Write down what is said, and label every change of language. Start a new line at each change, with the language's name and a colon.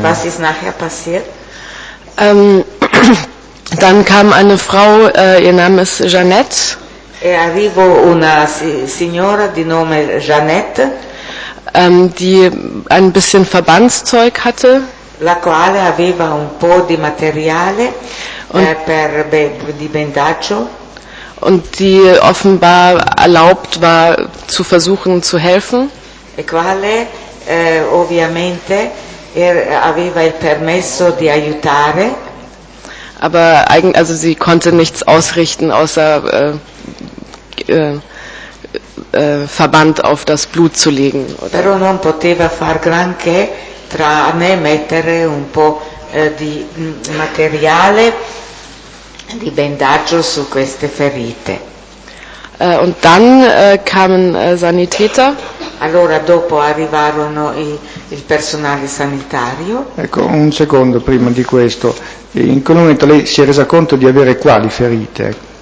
German: Was ist nachher passiert? Dann kam eine Frau, ihr Name ist Jeanette.
Italian: E arrivò una signora di nome Jeanette,
German: die ein bisschen Verbandszeug hatte.
Italian: La quale aveva un po' di materiale per di bendaggio.
German: Und die offenbar erlaubt war, zu versuchen zu helfen.
Italian: E quale ovviamente aveva il permesso di aiutare.
German: Aber also sie konnte nichts ausrichten außer Verband auf das Blut zu legen. Oder?
Italian: Però non poteva far granché tranne mettere un po' di materiale di bendaggio su queste ferite.
German: Und dann kamen Sanitäter.
Italian: Allora dopo arrivarono il personale sanitario. Ecco, un secondo prima di questo. In quel momento lei si è resa conto di avere quali ferite?